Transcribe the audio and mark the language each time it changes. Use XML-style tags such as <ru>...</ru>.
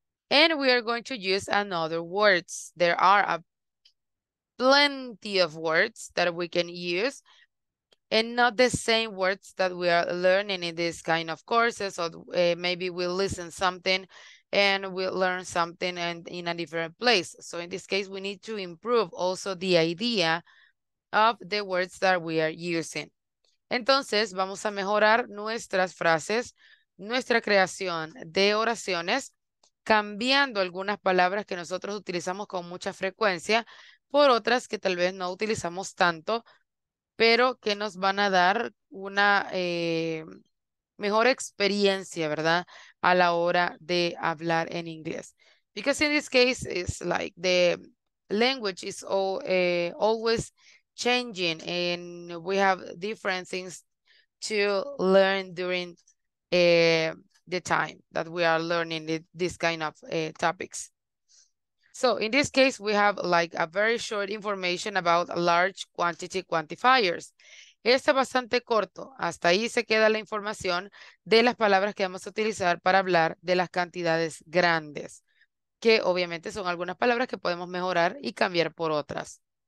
<en>And we are going to use another words. There are plenty of words that we can use, and not the same words that we are learning in this kind of courses, or maybe we listen something and we learn something and in a different place. So in this case, we need to improve also the idea of the words that we are using.</en> <es>Entonces, vamos a mejorar nuestras frases, nuestra creación de oraciones, cambiando algunas palabras que nosotros utilizamos con mucha frecuencia por otras que tal vez no utilizamos tanto, pero que nos van a dar una mejor experiencia, ¿verdad? A la hora de hablar en inglés.</es> <en>Because in this case, it's like the language is all, always changing, and we have different things to learn during the time that we are learning this kind of topics. So in this case, we have like a very short information about large quantity quantifiers.</en> <es>Está bastante corto. Hasta ahí se queda la información de las palabras que vamos a utilizar para hablar de las cantidades grandes, que obviamente son algunas palabras que podemos mejorar y cambiar por otras.</es>